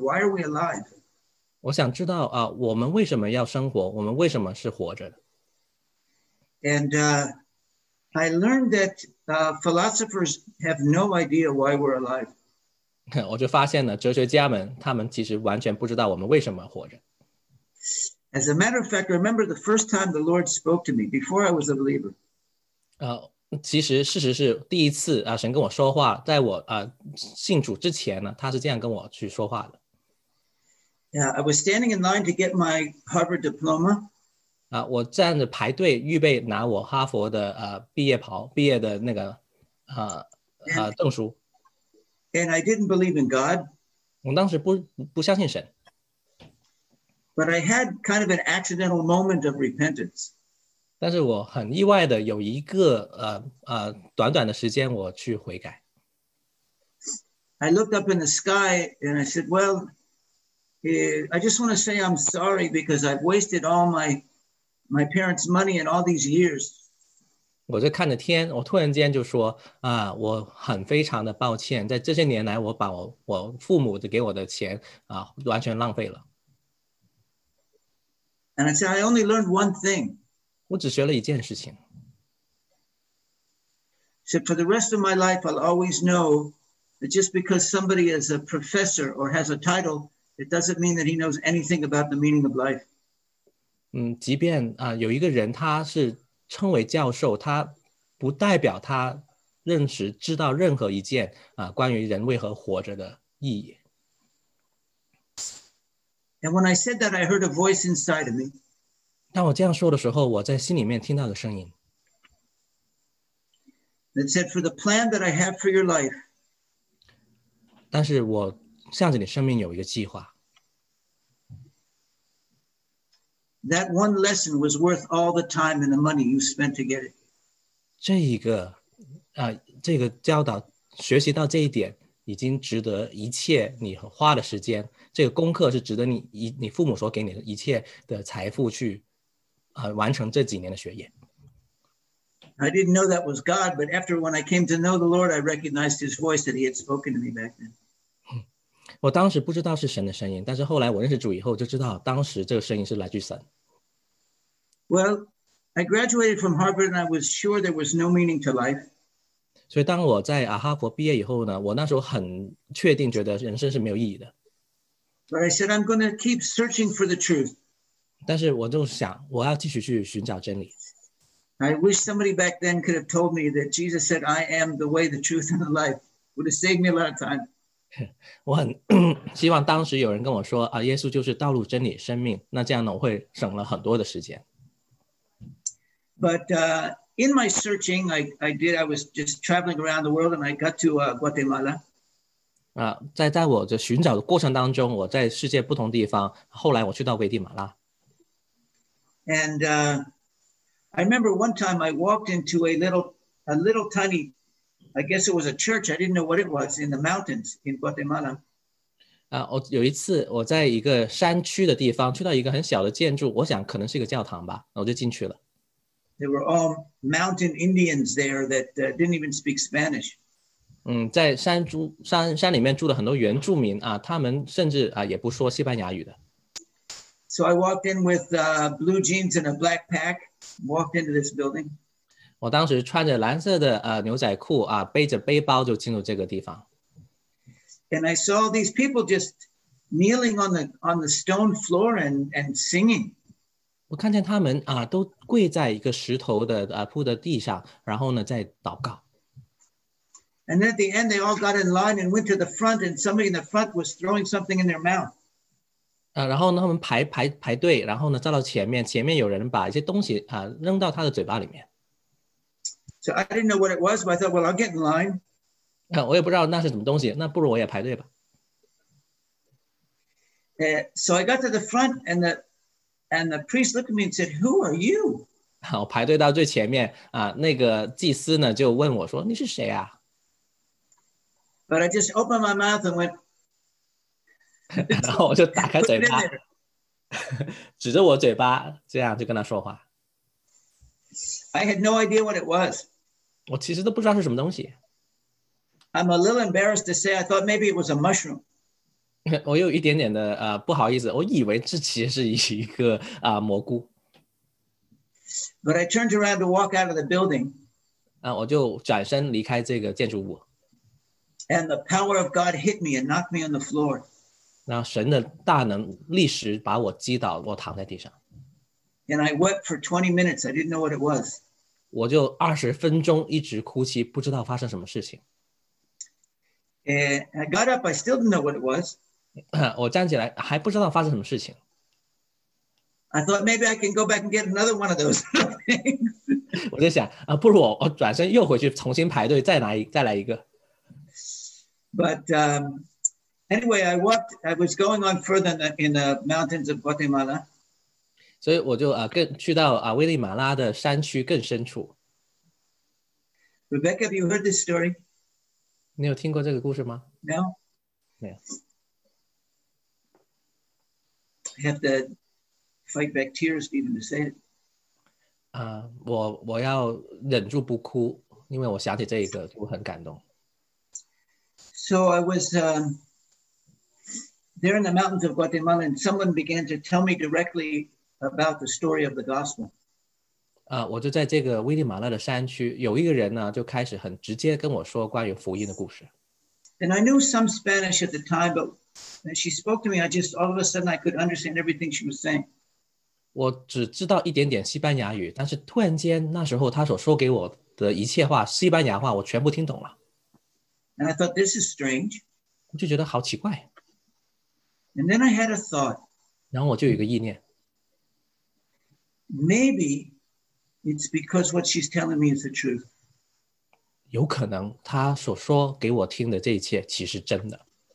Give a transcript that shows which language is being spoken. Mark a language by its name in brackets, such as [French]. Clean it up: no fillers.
[English] Why are we alive? [Chinese] 我想知道我们为什么要生活，我们为什么是活着的。 [English] And I learned that philosophers have no idea why we're alive. [Chinese] 我就发现了哲学家们他们其实完全不知道我们为什么活着。 [English] As a matter of fact, I remember the first time the Lord spoke to me before I was a believer. [Chinese] 其实事实是第一次神跟我说话，在我信主之前呢，他是这样跟我去说话的。 [English] Yeah, I was standing in line to get my Harvard diploma. [Chinese] 我站着排队预备拿我哈佛的毕业袍，毕业的那个证书。 [English] And I didn't believe in God. [Chinese] 我当时不相信神。 [English] But I had kind of an accidental moment of repentance. [Chinese] 但是我很意外的有一个短短的时间我去悔改。 [English] I looked up in the sky and I said, well, I just want to say I'm sorry because I've wasted all my parents' money in all these years. [Chinese] 我就看着天，我突然间就说我很非常的抱歉，在这些年来我把我父母给我的钱完全浪费了。 [English] And I said, I only learned one thing. [Chinese] 我只学了一件事情。 [English] So for the rest of my life, I'll always know that just because somebody is a professor or has a title, it doesn't mean that he knows anything about the meaning of life. [Chinese] 即便有一个人他是称为教授，他不代表他认识知道任何一件关于人为何活着的意义。 [English] And when I said that, I heard a voice inside of me. [Chinese] 当我这样说的时候，我在心里面听到个声音。 [English] That said, for the plan that I have for your life. [Chinese] 但是我向着你生命有一个计划。 [English] That one lesson was worth all the time and the money you spent to get it. [Chinese] 这个教导，学习到这一点，已经值得一切你花的时间，这个功课是值得你父母所给你的一切的财富去完成这几年的学业。 [English] I didn't know that was God, but after when I came to know the Lord, I recognized his voice that he had spoken to me back then. [Chinese] 我当时不知道是神的声音，但是后来我认识主以后就知道当时这个声音是来自神。 [English] Well, I graduated from Harvard and I was sure there was no meaning to life. [Chinese] 所以当我在哈佛毕业以后呢，我那时候很确定觉得人生是没有意义的。 [English] But I said, I'm going to keep searching for the truth. [Chinese] 但是我就想我要继续去寻找真理。 [English] I wish somebody back then could have told me that Jesus said, I am the way, the truth, and the life. Would have saved me a lot of time. [Chinese] 我很希望当时有人跟我说耶稣就是道路真理生命，那这样呢我会省了很多的时间。 [English] But in my searching, I was just traveling around the world and I got to Guatemala. [Chinese] 在我的寻找的过程当中，我在世界不同地方，后来我去到危地马拉。 [English] And I remember one time I walked into a little tiny, I guess it was a church, I didn't know what it was, in the mountains in Guatemala. [Chinese] 有一次我在一个山区的地方，去到一个很小的建筑，我想可能是一个教堂吧，我就进去了。 [English] There were all mountain Indians there that didn't even speak Spanish. [Chinese] 在山里面住的很多原住民他们甚至也不说西班牙语的。 [English] So I walked in with blue jeans and a black pack, walked into this building. [Chinese] 我当时穿着蓝色的牛仔裤背着背包就进入这个地方。 [English] And I saw these people just kneeling on the stone floor and singing. [Chinese] 我看见他们都跪在一个石头的铺的地上，然后呢在祷告。 [English] And then at the end, they all got in line and went to the front, and somebody in the front was throwing something in their mouth. [Chinese] 然后呢他们排队，然后呢站到前面有人把一些东西扔到他的嘴巴里面。 [English] So I didn't know what it was, but I thought, well, I'll get in line. [Chinese] 我也不知道那是什么东西，那不如我也排队吧。 [English] So I got to the front, and the priest looked at me and said, who are you? [Chinese] 我排队到最前面那个祭司呢就问我说你是谁啊？ [English] But I just opened my mouth and went, [Chinese] 然后我就打开嘴巴指着我嘴巴这样就跟他说话。 [English] I had no idea what it was. [Chinese] 我其实都不知道是什么东西。 [English] I'm a little embarrassed to say I thought maybe it was a mushroom. [Chinese] 我有一点点的不好意思，我以为这其实是一个蘑菇。 [English] But I turned around to walk out of the building. [Chinese] 我就转身离开这个建筑物。 [English] And the power of God hit me and knocked me on the floor. [Chinese] 那神的大能立时把我击倒，我躺在地上。 [English] And I wept for 20 minutes. I didn't know what it was. [Chinese] 我就20分钟一直哭泣，不知道发生什么事情。 [English] And I got up. I still didn't know what it was. [Chinese] 我站起来还不知道发生什么事情。 [English] I thought maybe I can go back and get another one of those things. [Chinese] 我就想啊，不如我转身又回去重新排队，再来一个。 [English] But anyway, I walked. I was going on further in the mountains of Guatemala. [Chinese] 所以我就更去到危地马拉的山区更深处。 [English] Rebecca, have you heard this story? [Chinese] 你有听过这个故事吗 [English] ？No. [Chinese] 没有。 [English] I have to fight back tears even to say it. [Chinese] 我要忍住不哭，因为我想起这一个，我很感动。 [English] So I was there in the mountains of Guatemala, and someone began to tell me directly about the story of the gospel. [Chinese] 我就在这个危地马拉的山区，有一个人呢，就开始很直接跟我说关于福音的故事。 [English] And I knew some Spanish at the time, but when she spoke to me, I just all of a sudden I could understand everything she was saying. [Chinese] 我只知道一点点西班牙语，但是突然间那时候她所说给我的一切话，西班牙话，我全部听懂了。 [English] And I thought, this is strange. [Chinese] 我就觉得好奇怪。 [English] And then I had a thought. [Chinese] 然后我就有一个意念。 [English] Maybe it's because what she's telling me is the truth. [Chinese] 有可能她所说给我听的这一切其实真的。